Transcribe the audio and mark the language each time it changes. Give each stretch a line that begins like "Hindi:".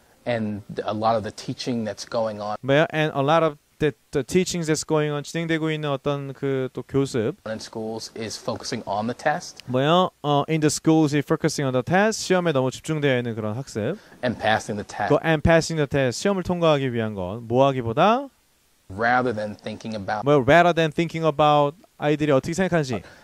English: And a lot of the teaching that's going on
Korean: 진행되고 있는 어떤 그 또 교습.
English: In the schools is focusing on the test.
Korean: 시험에 너무 집중되어 있는 그런 학습.
English: And passing the test.
Korean: 시험을 통과하기 위한 건 뭐하기보다.
English: Rather than thinking about
Korean: 아이들이 어떻게 생각하는지.